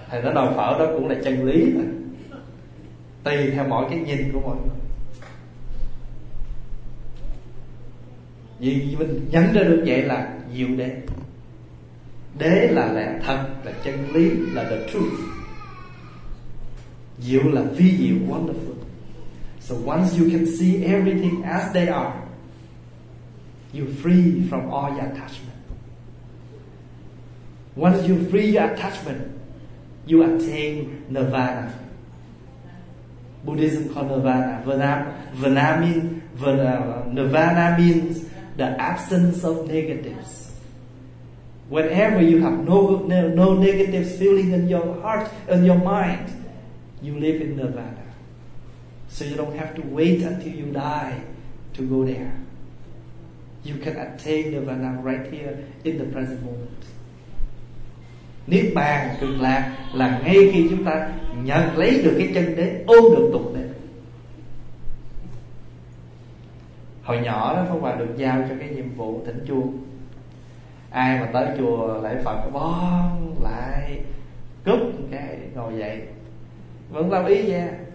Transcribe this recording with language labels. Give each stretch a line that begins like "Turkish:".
Vietnamese: Thì nó đòi phở đó cũng là chân lý mà. Tùy theo mọi cái nhìn của mọi người. Vì mình nhận ra được vậy là diệu đế. Đế là lẽ thật, là chân lý, là
English: the truth.
Vietnamese: Diệu là vi diệu, wonderful.
English: So once you can see everything as they are, you're free from all your attachment. Once you free your attachment, you attain nirvana. Buddhism called nirvana. Nirvana means the absence of negatives. Whenever you have no negative feeling in your heart, in your mind, you live in nirvana. So you don't have to wait until you die to go there. You can attain nirvana right here in the present moment.
Vietnamese: Niết bàn cực lạc là ngay khi chúng ta nhận lấy được cái chân đế, ôm được tục đế. Hồi nhỏ đó Pháp Hòa được giao cho cái nhiệm vụ thỉnh chuông. Ai mà tới chùa lễ Phật bon lại cúp cái ngồi dậy vẫn làm ý nha.